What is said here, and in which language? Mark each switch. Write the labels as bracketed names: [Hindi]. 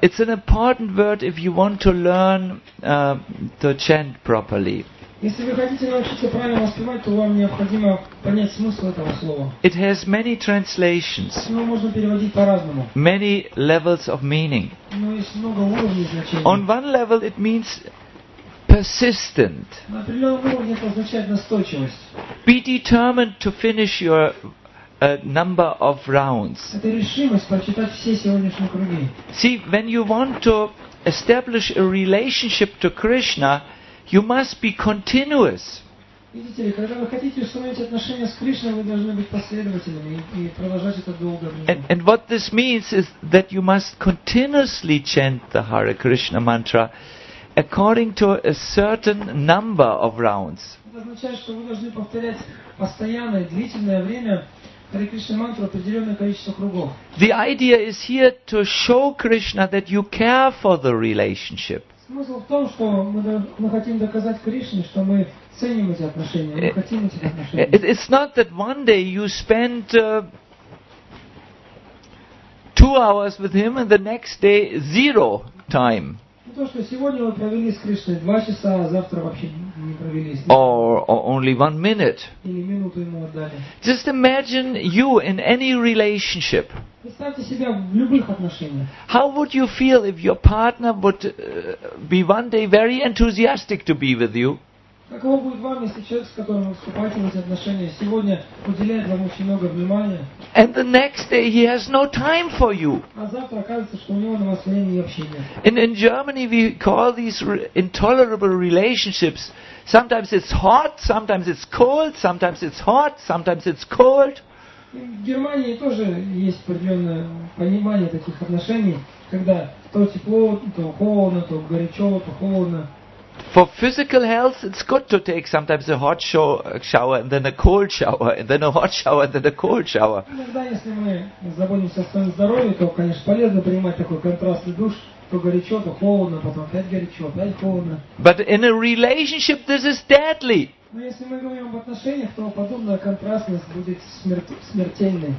[English] It's an important word if you want to learn to chant properly. [Russian] Если вы хотите научиться правильно воспевать, то вам необходимо понять смысл этого слова. [English] It has many translations. [Russian] Его можно переводить по-разному. [English] Many levels of meaning. [Russian] Но есть много уровней значения. [English] On one level it means persistent. [Russian] На определенном уровне это означает настойчивость. [English] Be determined to finish your number of rounds. [Russian] Это решимость прочитать все сегодняшние круги. [English] See, when you want to establish a relationship to Krishna, you must be continuous. [Russian] Видите ли, когда вы хотите установить отношения с Кришной, вы должны быть последовательными и продолжать это долго. [English] And what this means is that you must continuously chant the Hare Krishna mantra according to a certain number of rounds. [Russian] Это означает, что вы должны повторять постоянное, длительное время Hare Krishna mantra определенное количество кругов. [English] The idea is here to show Krishna that you care for the relationship. [Russian] Смысл в том, что мы хотим доказать Кришне, что мы ценим эти отношения, мы хотим эти отношения. [English] It's not that one day you spend 2 hours with him and the next day zero time. [Russian] Не то, что сегодня вы провели с Кришной 2 часа, а завтра вообще не провели с ним. [English] Or only 1 minute. [Russian] Или минуту ему отдали. [English] Just imagine you in any relationship. [Russian] Представьте себя в любых отношениях. [English] How would you feel if your partner would be one day very enthusiastic to be with you? [Russian] Каково будет вам, если человек, с которым вы вступаете в эти отношения, сегодня уделяет вам очень много внимания? [English] And the next day he has no time for you. [Russian] А завтра окажется, что у него на вас времени вообще нет. [English] In Germany we call these intolerable relationships. Sometimes it's hot, sometimes it's cold, sometimes it's hot, sometimes it's cold. [Russian] В Германии тоже есть определенное понимание таких отношений, когда то тепло, то холодно, то горячо, то холодно. [English] For physical health, it's good to take sometimes a hot shower and then a cold shower and then a hot shower and then a cold shower. [Russian] Иногда, если мы заботимся о своем здоровье, то, конечно, полезно принимать такой контрастный душ, то горячо, то холодно, потом опять горячо, опять холодно. [English] But in a relationship, this is deadly. [Russian] Но если мы говорим об отношениях, то подобная контрастность будет смертельной.